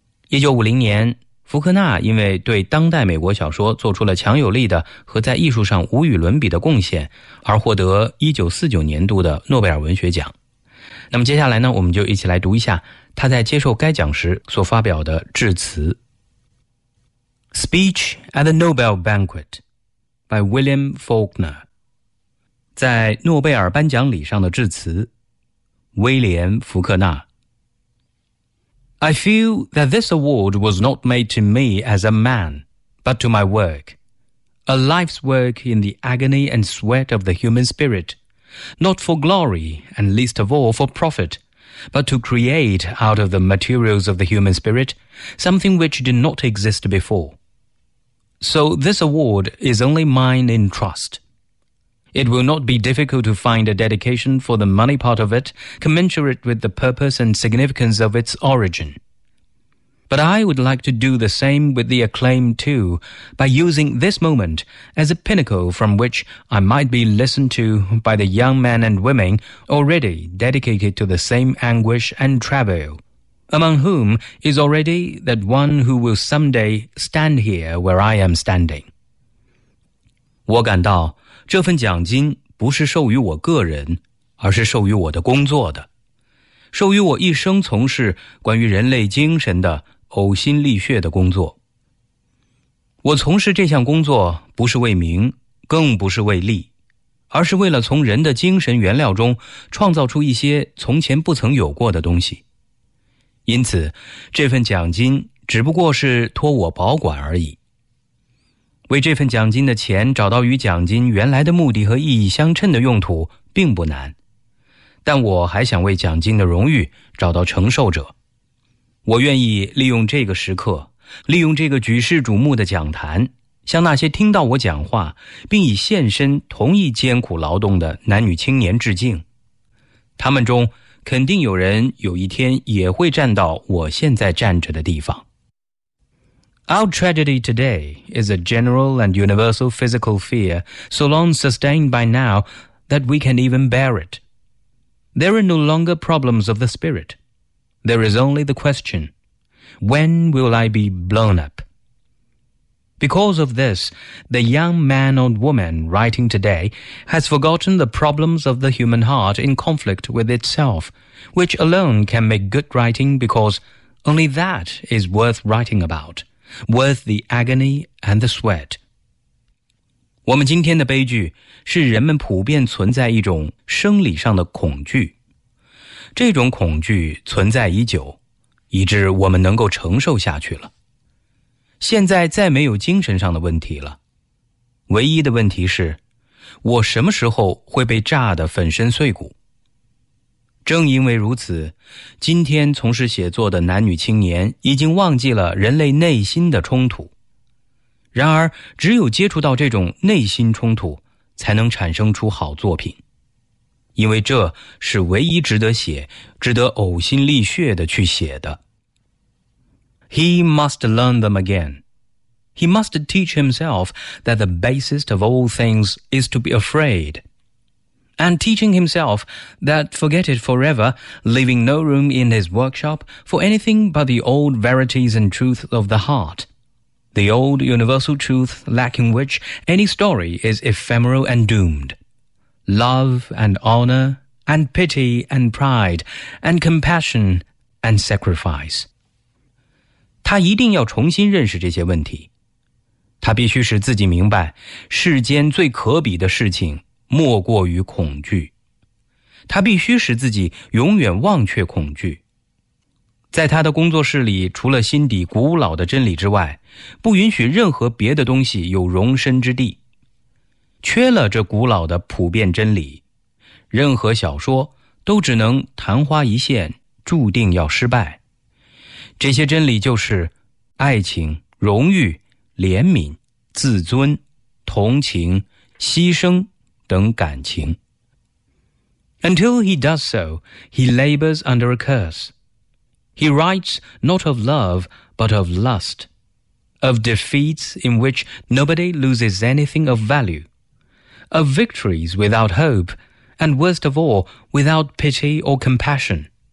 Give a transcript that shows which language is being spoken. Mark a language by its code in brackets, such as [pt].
[zh] 1950年，福克纳因为对当代美国小说做出了强有力的和在艺术上无与伦比的贡献，而获得1949年度的诺贝尔文学奖。那么接下来呢，我们就一起来读一下他在接受该奖时所发表的致辞。 [en] Speech at the Nobel Banquet by William Faulkner [zh] 在诺贝尔颁奖礼上的致辞，威廉·福克纳。 [en] I feel that this award was not made to me as a man, but to my work. A life's work in the agony and sweat of the human spirit, not for glory and least of all for profit, but to create out of the materials of the human spirit something which did not exist before. So this award is only mine in trust. It will not be difficult to find a dedication for the money part of it, commensurate with the purpose and significance of its origin. But I would like to do the same with the acclaim too, by using this moment as a pinnacle from which I might be listened to by the young men and women already dedicated to the same anguish and travail, among whom is already that one who will someday stand here where I am standing. [zh] 我感到这份奖金不是授予我个人，而是授予我的工作的，授予我一生从事关于人类精神的呕心沥血的工作。我从事这项工作不是为名，更不是为利，而是为了从人的精神原料中创造出一些从前不曾有过的东西。因此，这份奖金只不过是托我保管而已。为这份奖金的钱找到与奖金原来的目的和意义相称的用途并不难，但我还想为奖金的荣誉找到承受者。我愿意利用这个时刻，利用这个举世瞩目的讲坛，向那些听到我讲话并已献身同意艰苦劳动的男女青年致敬。他们中肯定有人有一天也会站到我现在站着的地方。 [en] Our tragedy today is a general and universal physical fear so long sustained by now that we can even bear it. There are no longer problems of the spirit. There is only the question, when will I be blown up? Because of this, the young man or woman writing today has forgotten the problems of the human heart in conflict with itself, which alone can make good writing because only that is worth writing about. Worth the agony and the sweat. [zh] 我们今天的悲剧是人们普遍存在一种生理上的恐惧。这种恐惧存在已久，以致我们能够承受下去了。现在再没有精神上的问题了。唯一的问题是，我什么时候会被炸得粉身碎骨？正因为如此，今天从事写作的男女青年已经忘记了人类内心的冲突。然而，只有接触到这种内心冲突，才能产生出好作品。因为这是唯一值得写，值得呕心沥血的去写的。 [en] He must learn them again. He must teach himself that the basest of all things is to be afraid. And teaching himself that forget it forever, leaving no room in his workshop for anything but the old verities and truths of the heart, the old universal truth lacking which any story is ephemeral and doomed. Love and honor and pity and pride and compassion and sacrifice. [zh] 他一定要重新认识这些问题。他必须使自己明白世间最可比的事情莫过于恐惧，他必须使自己永远忘却恐惧。在他的工作室里，除了心底古老的真理之外，不允许任何别的东西有容身之地。缺了这古老的普遍真理，任何小说都只能昙花一现，注定要失败。这些真理就是爱情、荣誉、怜悯、自尊、同情、牺牲等感情。 [en] Until he does so, he labors under a curse. He writes not of love, but of lust, of defeats in which nobody loses anything of value, of victories without hope, and worst of all, without pity or compassion.